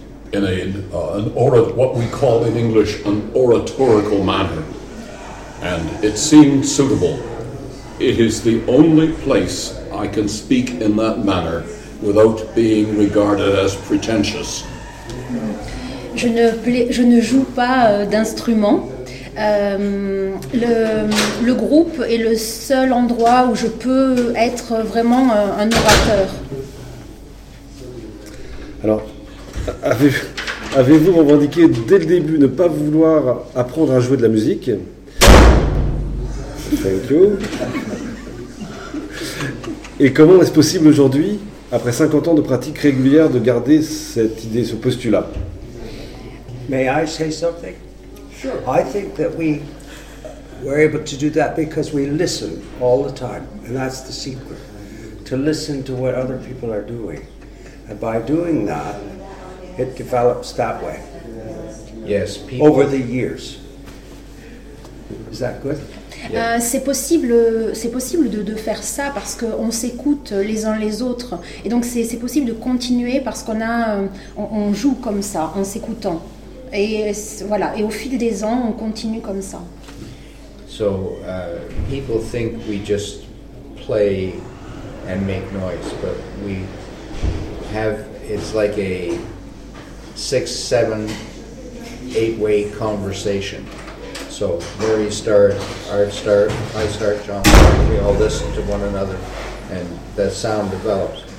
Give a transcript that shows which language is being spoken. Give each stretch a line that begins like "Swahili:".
English: In what we call in English an oratorical manner. And it seemed suitable. It is the only place I can speak in that manner without being regarded as pretentious.
French: Je ne joue pas d'instrument. Le groupe est le seul endroit où je peux être vraiment un orateur. Alors, avez-vous revendiqué dès le début ne pas vouloir apprendre à jouer de la musique?
English: Thank you.
French: Et comment est-ce possible aujourd'hui, après 50 ans de pratique régulière, de garder cette idée, ce postulat?
English: May I say something? Sure. I think that we were able to do that because we listen all the time. And that's the secret. To listen to what other people are doing. And by doing that, it develops that way. Yes, people. Over the years. Is that good? Yeah.
French: C'est possible de faire ça parce qu'on s'écoute les uns les autres. Et donc c'est possible de continuer parce qu'on a, on joue comme ça, en s'écoutant. Et voilà, et au fil des ans, on continue comme ça.
English: So, people think we just play and make noise, but we have, it's like a 6-7-8-way conversation. So Murray starts, I start, John, we all listen to one another, and that sound develops.